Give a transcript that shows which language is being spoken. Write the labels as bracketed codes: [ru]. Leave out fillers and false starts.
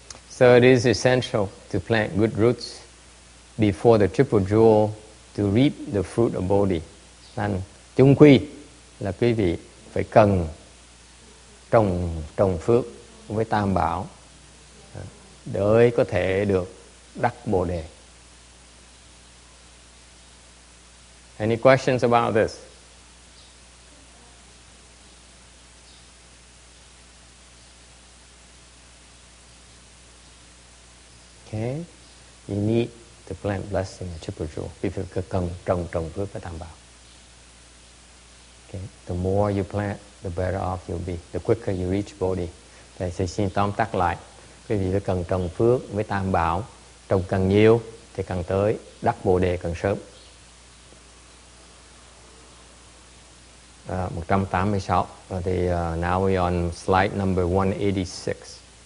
[en] So it is essential to plant good roots before the triple jewel to reap the fruit of bodhi. [vi] Nên chung quy là quý vị phải cần trồng phước với tam bảo để có thể được đắc bồ đề. [en] Any questions about this? Okay, you need to plant blessing and triple jewel. People can [vi] trồng phước và tam bảo. [en] Okay. The more you plant, the better off you'll be. The quicker you reach Bodhi. [vi] Thầy sẽ xin tóm tắt lại. Quý vị cần trồng phước với tam bảo. Trồng càng nhiều thì càng tới đắc Bồ Đề càng sớm. [en] 186. Now we're on slide number 186.